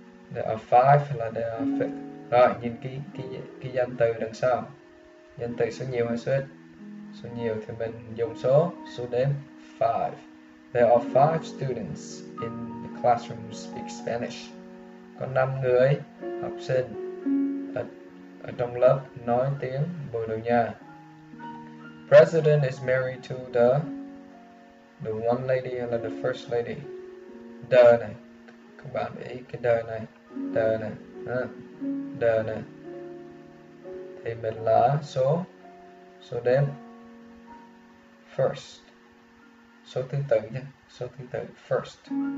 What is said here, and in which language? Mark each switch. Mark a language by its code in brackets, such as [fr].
[en] There are five [vi] hay là [en] there are fifth. [vi] Rồi, nhìn cái danh từ đằng sau. Danh từ số nhiều hay số ít? Số nhiều thì mình dùng số đếm five. [en] There are five students in the classroom who speak Spanish. [vi] Có 5 người học sinh ở trong lớp nói tiếng Bồ Đào Nha. [en] President is married to the one lady [vi] hay là [en] the first lady. [vi] The này, các bạn để ý cái the này thì mình là số đếm first, số thứ tự nhé, số thứ tự first.